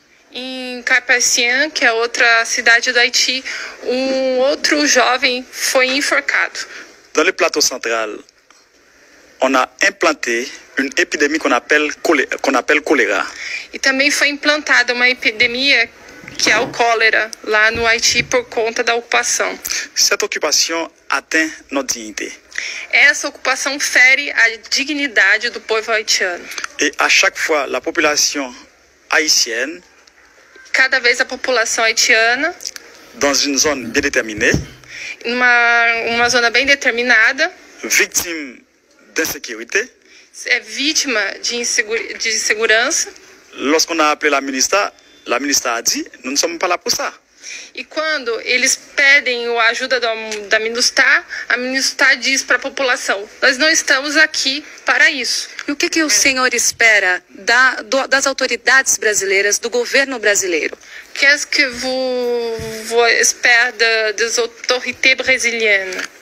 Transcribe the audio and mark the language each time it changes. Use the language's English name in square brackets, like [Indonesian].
[Portuguese] Em Carpacian, que é outra cidade do Haiti, outro jovem foi enforcado. [French] Dans le plateau central, on a implanté une épidémie qu'on appelle choléra. [Portuguese] E também foi implantada uma epidemia que é o cólera lá no Haiti por conta da ocupação. [French] Cette occupation atteint notre dignité. [Portuguese] Essa ocupação fere a dignidade do povo haitiano. [French] Et à chaque fois la population haïtienne [Portuguese] cada vez a população haitiana [French] dans une zone bien déterminée [Portuguese] uma zona bem determinada [French] victime d'insécurité [Portuguese] é vítima de insegurança. [French] Lorsqu'on a appelé la ministra a dit nous ne sommes pas là pour ça. [Portuguese] E quando eles pedem a ajuda da Minustah, a Minustah diz para a população, nós não estamos aqui para isso. E o que o senhor espera das autoridades brasileiras, do governo brasileiro? O que é que você espera das autoridades brasileiras?